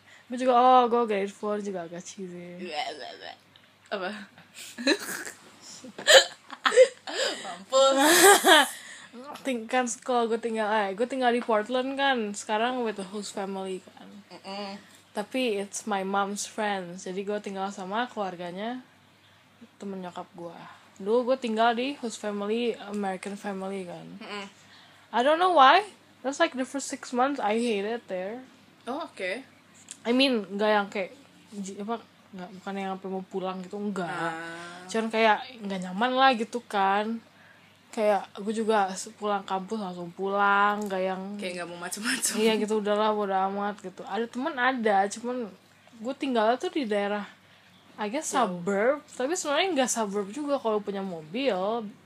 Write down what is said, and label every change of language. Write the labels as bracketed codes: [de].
[id] Gue juga, oh gue [en] grateful [id] juga agak cheesy. Apa? Mampus. Kan sekolah gue tinggal, gue tinggal di Portland kan. Sekarang [en] with the host family [id] kan. Tapi [en] it's my mom's friends. [id] Jadi gue tinggal sama keluarganya. Temen nyokap gue. Dulu gue tinggal di host family, American family kan. [en] I don't know why. That's like the first 6 months I hate it there. [id] Oh, oke. Okay. [en] I mean, [id] enggak yang kayak apa enggak bukan yang sampai mau pulang gitu, enggak. Cuman kayak enggak nyaman lah gitu kan. Kayak aku juga pulang kampus langsung pulang, enggak yang kayak enggak mau macam-macam. Iya gitu udahlah bodo amat gitu. Ada teman ada, cuman gue tinggalnya tuh di daerah [en] I guess [id] suburb, tapi sebenarnya enggak suburb juga kalau punya mobil.